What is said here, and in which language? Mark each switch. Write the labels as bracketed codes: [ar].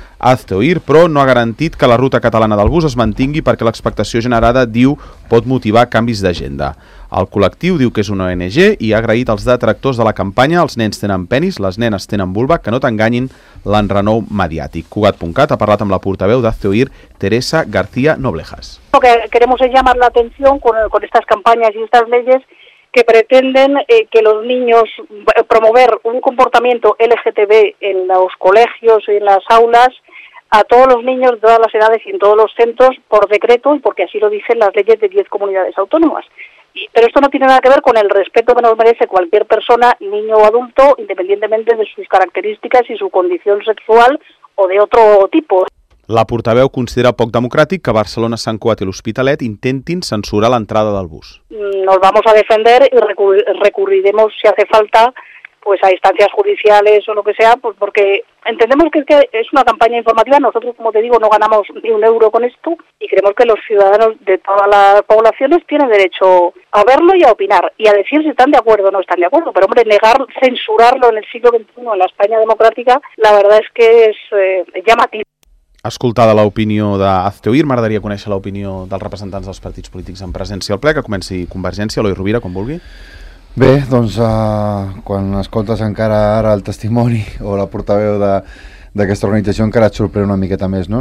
[ca] Azteoir, però, no ha garantit que la ruta catalana del bus es mantingui perquè l'expectació generada, diu, pot motivar canvis d'agenda. El col·lectiu diu que és una ONG i ha agraït als detractors de la campanya: els nens tenen penis, les nenes tenen vulva, que no t'enganyin l'enrenou mediàtic. Cugat.cat ha parlat amb la portaveu d'Azteoir, Teresa García Noblejas. [es] Lo que queremos es llamar la atención con estas campañas y estas leyes que pretenden que los niños promover un comportamiento LGTB en los colegios y en las aulas a todos los niños de todas las edades y en todos los centros por decreto y porque así lo dicen las leyes de 10 comunidades autónomas. Pero esto no tiene nada que ver con el respeto que nos merece cualquier persona, niño o adulto, independientemente de sus características y su condición sexual o de otro tipo. [ca] La portaveu considera poc democràtic que Barcelona, Sant Cugat i l'Hospitalet intentin censurar l'entrada del bus. [es] Nos vamos a defender y recurriremos si hace falta pues a instancias judiciales o lo que sea, pues porque entendemos que es una campaña informativa. Nosotros, como te digo, no ganamos ni un euro con esto y creemos que los ciudadanos de todas las poblaciones tienen derecho a verlo y a opinar y a decir si están de acuerdo o no están de acuerdo. Pero, hombre, negar, censurarlo en el siglo XXI, en la España democrática, la verdad es que es llamativo. [ca] Escoltada l'opinió d'Azteoir, m'agradaria conèixer l'opinió dels representants dels partits polítics en presència al ple, que comenci Convergència. Eloi Rovira, quan vulgui. Bé, doncs quan escoltes encara ara el testimoni o la portaveu d'aquesta organització encara et sorprèn una miqueta més, no?